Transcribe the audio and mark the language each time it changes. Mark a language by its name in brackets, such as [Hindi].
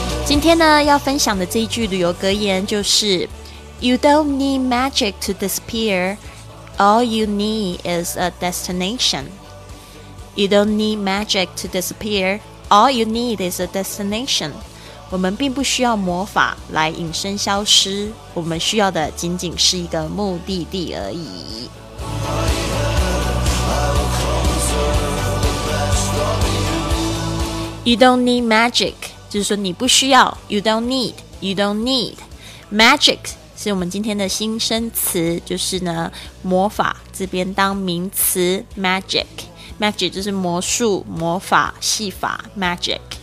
[Chinese] 今天呢要分享的这一句旅游格言就是 [English] You don't need magic to disappear. All you need is a destination. You don't need magic to disappear. All you need is a destination. [Chinese] 我们并不需要魔法来隐身消失，我们需要的仅仅是一个目的地而已。 [English] You don't need magic， [Chinese] 就是说你不需要。 [English] You don't need magic [Chinese] 是我们今天的新生词，就是呢魔法，这边当名词 magic 就是魔术、魔法、戏法 magic。